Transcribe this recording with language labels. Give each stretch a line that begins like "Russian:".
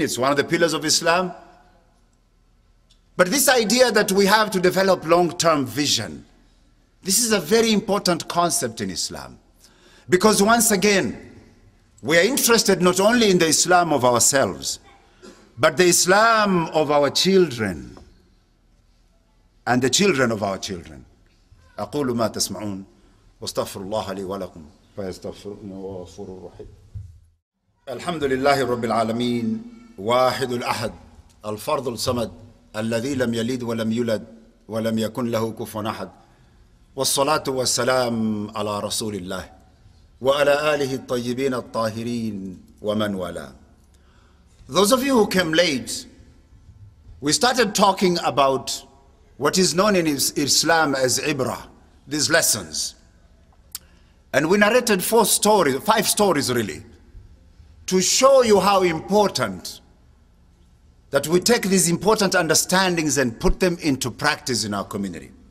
English: It's one of the pillars of Islam. But this idea that we have to develop long-term vision, this is a very important concept in Islam. Because once again, we are interested not only in the Islam of ourselves, but the Islam of our children and the children of our children.
Arabic: أقول ما تسمعون واستغفر الله لي ولكم فيستغفرني وغفور رحيم. الحمد لله رب العالمين واحد الأحد الفرد الصمد الذي لم يلد ولم يولد ولم يكن له كفوا أحد والصلاة والسلام على رسول الله وعلى آله الطيبين الطاهرين ومن والاه.
English: Those of you who came late, we started talking about what is known in Islam as Ibrah, these lessons. And we narrated five stories really, to show you how important that we take these important understandings and put them into practice in our community.